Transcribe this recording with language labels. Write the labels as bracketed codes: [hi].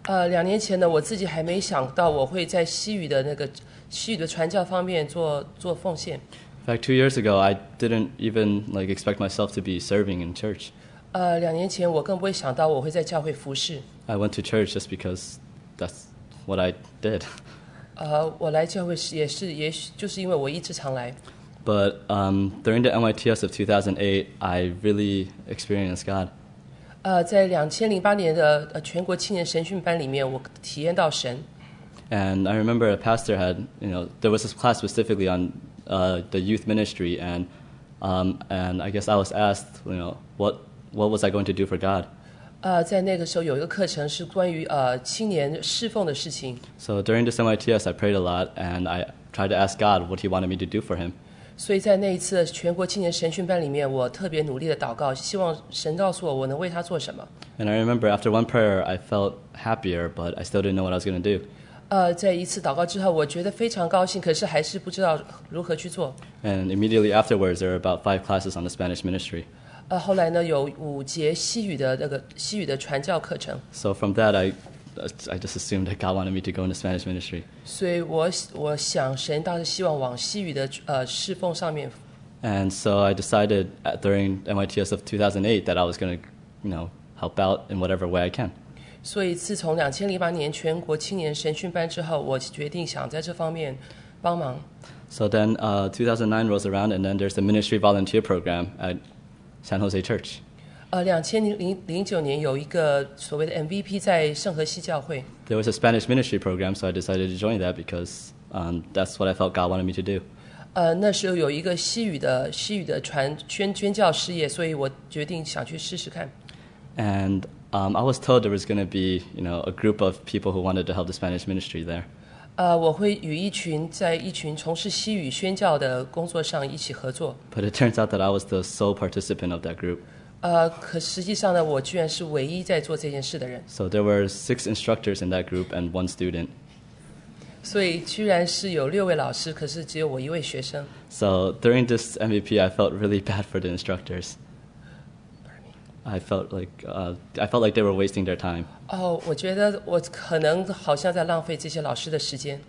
[zh] 两年前呢，我自己还没想到我会在西语的那个西语的传教方面做奉献。 [en] In fact, 2 years ago, I didn't even like expect myself to be serving in church. [zh] 两年前我更不会想到我会在教会服事。 [en] I went to church just because that's what I did. [zh] 我来教会也是，也许就是因为我一直常来。 [en] But during the NYTS of 2008, I really experienced God. [zh] 在2008年的全国青年神训班里面，我体验到神。 [en] And I remember a pastor had, you know, there was this class specifically on the youth ministry, and I guess I was asked, you know, what was I going to do for God? [zh] 在那个时候有一个课程是关于青年侍奉的事情。 [en] So during this NYTS, I prayed a lot, and I tried to ask God what He wanted me to do for Him. [zh] 所以在那一次全国青年神训班里面，我特别努力的祷告，希望神告诉我我能为他做什么。 [en] And I remember after one prayer, I felt happier, but I still didn't know what I was going to do. [zh] 在一次祷告之后，我觉得非常高兴，可是还是不知道如何去做。 [en] And immediately afterwards, there were about 5 classes on the Spanish ministry. [zh] 后来呢，有5节西语的那个西语的传教课程。 [en] So from that, I just assumed that God wanted me to go into Spanish ministry. [zh] 所以我想神当时希望往西语的侍奉上面。 [en] And so I decided during NYTS of 2008 that I was going to, you know, help out in whatever way I can. [zh] 所以自从2008年全国青年神训班之后，我决定想在这方面帮忙。 [en] So then 2009 rolls around, and then there's the ministry volunteer program at San Jose Church. [zh] 2009年有一个所谓的 MVP 在圣何西教会。 [en] There was a Spanish ministry program, so I decided to join that because that's what I felt God wanted me to do. [zh] 那时候有一个西语的宣教事业，所以我决定想去试试看。 [en] And I was told there was going to be, you know, a group of people who wanted to help the Spanish ministry there. [zh] 我会与一群从事西语宣教的工作上一起合作。 [en] But it turns out that I was the sole participant of that group. [zh] 可实际上呢，我居然是唯一在做这件事的人。 [en] So there were 6 instructors in that group and 1 student. [zh] 所以居然是有六位老师，可是只有我一位学生。 [en] So during this MVP, I felt really bad for the instructors. I felt like they were wasting their time. [zh] 我觉得我可能好像在浪费这些老师的时间。